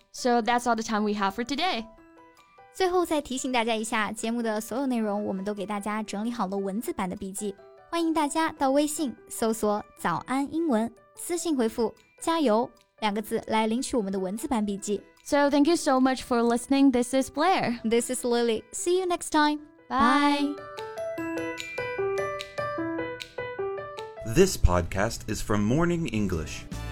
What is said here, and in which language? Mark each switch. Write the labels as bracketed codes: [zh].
[en] So that's all the time we have for today. [zh] 最后再提醒大家一下，节目的所有内容我们都给大家整理好了文字版的笔记，欢迎大家到微信搜索“早安英文”，私信回复“加油”两个字来领取我们的文字版笔记。 [en] So thank you so much for listening. This is Blair. This is Lily. See you next time. Bye. This podcast is from Morning English.